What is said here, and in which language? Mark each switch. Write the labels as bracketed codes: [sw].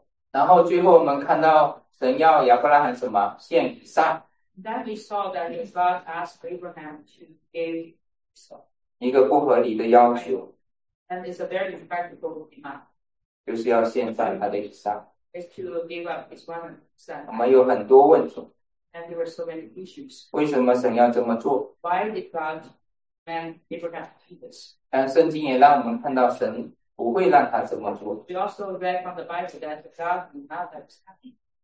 [zh] 然后最后我们看到神要亚伯拉罕什么？献以撒。 [en] Then we saw that God asked Abraham to give himself. [zh] 一个不合理的要求。 [en] And it's a very impractical demand. [zh] 就是要献上他的以撒。 [en] It's to give up his one son. [zh] 我们有很多问题。 [en] And there were so many issues. [zh] 为什么神要这么做？ [en] Why did God and Abraham do this? [zh] 但圣经也让我们看到，神不会让他这么做。 [en] We also read from the Bible that God did not let this happen.